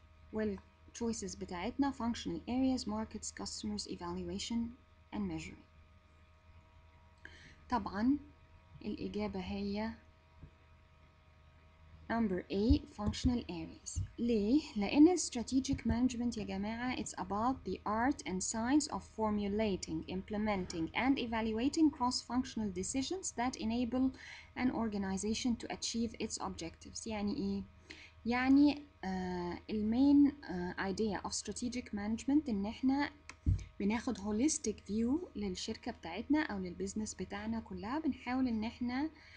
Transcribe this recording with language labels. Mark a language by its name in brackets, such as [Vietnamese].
[English] Well, choices [Arabic] بتاعتنا [English] functional areas, markets, customers, evaluation and measuring. [Arabic] طبعا الإجابة هي [English] number 8, functional areas. [Arabic] ليه؟ لأن [English] strategic management [Arabic] يا جماعة [English] it's about the art and science of formulating, implementing and evaluating cross-functional decisions that enable an organization to achieve its objectives. [Arabic] يعني إيه؟ يعني المين [English] idea of strategic management [Arabic] ان احنا بناخد [English] holistic view [Arabic] للشركة بتاعتنا او للبزنس بتاعنا كلها, بنحاول ان احنا